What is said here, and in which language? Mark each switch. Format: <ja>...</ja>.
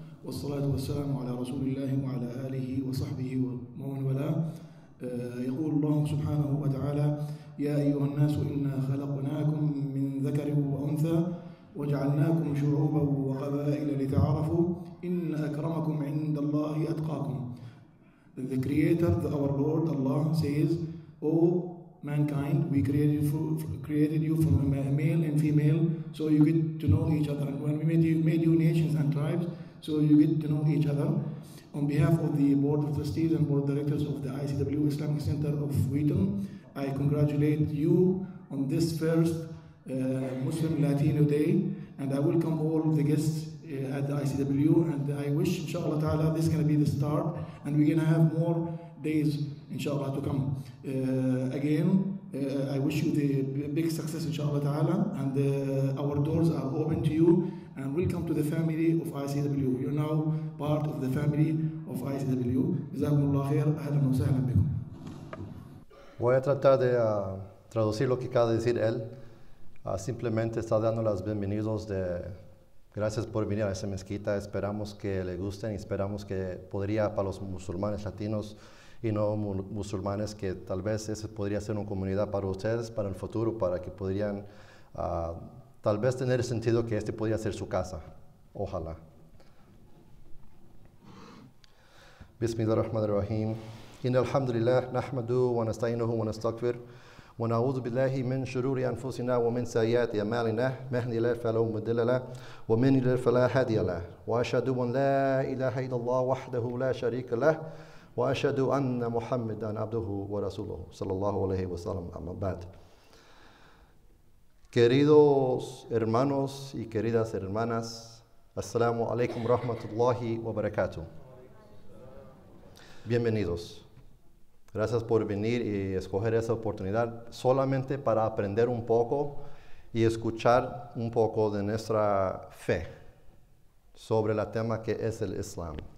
<ar>والصلاة والسلام على رسول الله وعلى آله وصحبه ومن والاه. يقول الله سبحانه وتعالى: يا أيها الناس إنا خلقناكم من ذكر وأنثى وجعلناكم شعوبا وقبائل لتعارفوا إن أكرمكم عند الله أتقاكم.</ar> <en>The creator, our Lord Allah says, O mankind, we created you from a male and female, so you get to know each other. When we made you nations and tribes, so you get to know each other. On behalf of the Board of Trustees and Board of Directors of the ICW Islamic Center of Wheaton, I congratulate you on this first Muslim Latino Day, and I welcome all the guests at the ICW, and I wish, inshallah ta'ala, this is going to be the start, and we're going to have more days, inshallah, to come. I wish you the big success, inshallah ta'ala, and our doors are open to you, and welcome to the family of ICW. You're now part of the family of ICW.</en> <ar>Jazakumullah khair, ahlan wa sahlan bikum.</ar> <es>Voy a tratar de traducir lo que acaba de decir él. Simplemente está dando las bienvenidas de gracias por venir a esta mezquita. Esperamos que le gusten y esperamos que podría para los musulmanes latinos y no musulmanes, que tal vez ese podría ser una comunidad para ustedes, para el futuro, para que podrían tal vez tener el sentido que este podría ser su casa. Ojalá.</es> <ar>Bismillah ar-Rahman ar-Rahim. Inna alhamdulillah, nahmadu wa nasta'inuhu wa nastaghfir. ونعوذ بالله من شرور أنفسنا ومن سيئات أعمالنا من يهده الله فلا مضل له ومن يضلل فلا هادي له وأشهد أن لا إله إلا الله وحده لا شريك له وأشهد أن محمدا عبده ورسوله صلى الله عليه وسلم أما بعد.</ar> <es>Queridos hermanos y queridas hermanas,</es> <ar>السلام عليكم ورحمة الله وبركاته.</ar> <es>Bienvenidos. Gracias por venir y escoger esa oportunidad solamente para aprender un poco y escuchar un poco de nuestra fe sobre el tema que es el Islam.</es>